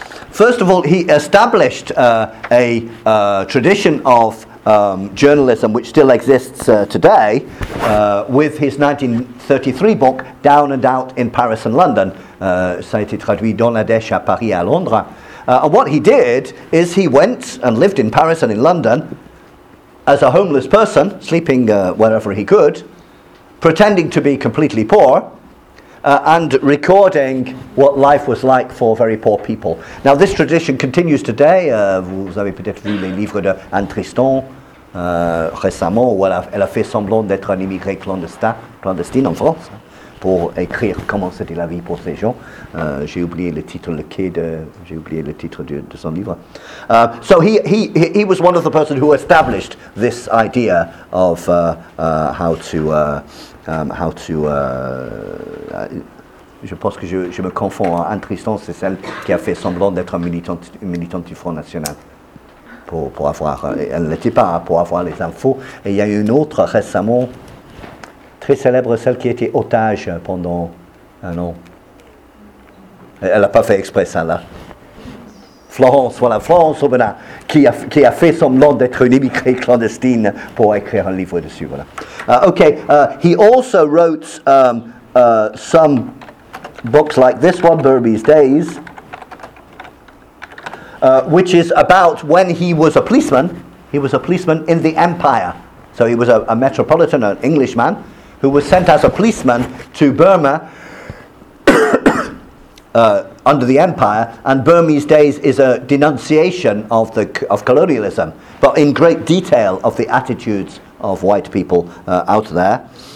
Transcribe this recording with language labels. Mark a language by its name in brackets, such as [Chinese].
[English] First of all, he established tradition of journalism which still exists today with his 1933 book Down and Out in Paris and London. [French] Ça a été traduit dans la dèche à Paris et à Londres. [English] And what he did is he went and lived in Paris and in London as a homeless person, sleeping wherever he could, pretending to be completely poor, and recording what life was like for very poor people. Now, this tradition continues today. [French] Vous avez peut-être vu les livres de Anne Tristan récemment, où elle a fait semblant d'être un immigré clandestine en France, hein, pour écrire comment c'était la vie pour ces gens. J'ai oublié le titre de son livre. So he was one of the person who established this idea of je pense que je me confonds. Anne Tristan, c'est celle qui a fait semblant d'être une militante du Front National. Pour avoir, elle n'était pas, pour avoir les infos. Et il y a une autre récemment, très célèbre, celle qui était otage pendant un an. Elle n'a pas fait exprès ça, là. Florence Aubenas, qui a fait semblant d'être une immigrée clandestine pour écrire un livre dessus, voilà. [English] He also wrote some books like this one, Burmese Days, which is about when he was a policeman in the Empire. So he was a metropolitan, an Englishman, who was sent as a policeman to Burma under the Empire, and Burmese Days is a denunciation of colonialism, but in great detail of the attitudes of white people out there.